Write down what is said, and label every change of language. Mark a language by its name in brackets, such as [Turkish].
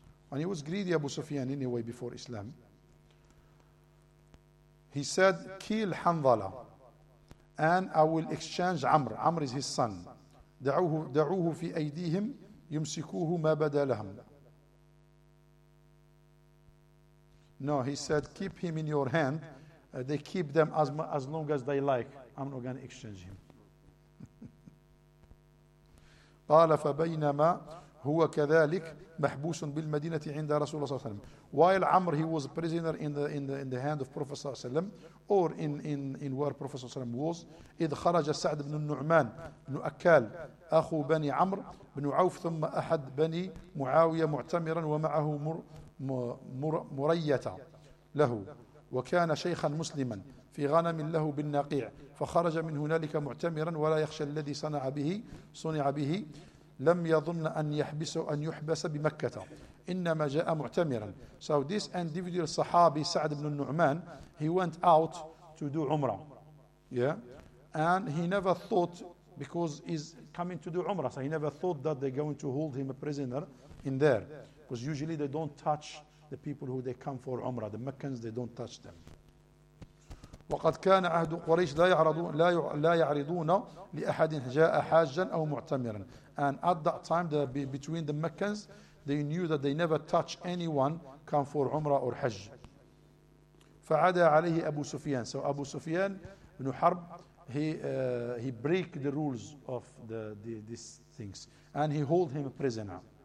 [English] And he was greedy, Abu Sufyan, anyway, before Islam. He said, kill Hanzala and I will exchange Amr. Amr is his son. [Arabic] دعوه في أيديهم يمسكوه ما بدا لهم. [English] No, he said, keep him in your hand. They keep them as long as they like. I'm not going to exchange him. [Arabic] قال فبينما هو كذلك محبوس بالمدينة عند رسول الله صلى الله عليه وسلم. [English] While Amr, he was a prisoner in the hand of Prophet صلى الله عليه وسلم, or in where Prophet [Arabic] صلى الله عليه وسلم [English] was, [Arabic] إذ خرج سعد بن النعمان بن أكال أخو بني عمرو بن عوف ثم أحد بني معاوية معتمرا ومعه مرية له وكان شيخا مسلما في غنم له بالنقيع فخرج من هنالك معتمرا ولا يخشى الذي صنع به لم يظن أن يحبس بمكة إنما جاء معتمرا. [English] So this individual Sahabi سعد بن النعمان, he went out to do Umrah, yeah, and he never thought, because he's coming to do Umrah, so he never thought that they're going to hold him a prisoner in there, because usually they don't touch the people who they come for Umrah, the Meccans, they don't touch them. [Arabic] وقد كان عهد قريش لا يعرضون لأحد جاء حاجا أو معتمرا. [English] And at that time, between the Meccans, they knew that they never touch anyone come for Umrah or Hajj. [Arabic] فعاد عليه أبو سفيان. [English] So Abu Sufyan ibn Harb, he break the rules of the these things, and he hold him a prisoner.